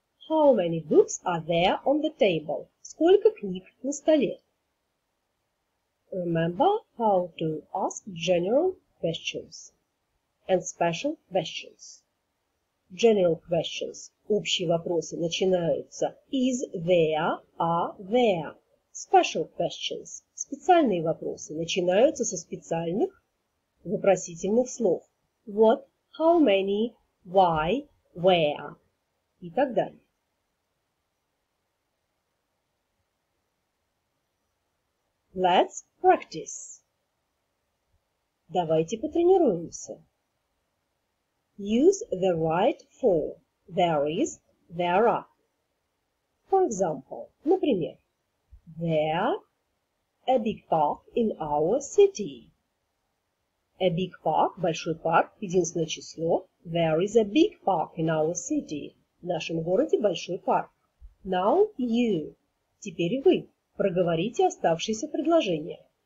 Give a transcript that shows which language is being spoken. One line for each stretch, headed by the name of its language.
English: How many books are there on the table?
Russian: Сколько книг на столе?
English: Remember how to ask general questions and special questions. General questions.
Russian: Общие вопросы начинаются.
English: Is there? Are there? Special questions.
Russian: Специальные вопросы начинаются со специальных вопросительных слов.
English: What? How many? Why? Where?
Russian: И так далее.
English: Let's practice.
Russian: Давайте потренируемся.
English: Use the right form. There is, there are. For example,
Russian: например,
English: there a big park in our city. A big park,
Russian: большой парк, единственное число.
English: There is a big park in our city.
Russian: В нашем городе большой парк.
English: Now you.
Russian: Теперь вы. Проговорите оставшиеся предложения.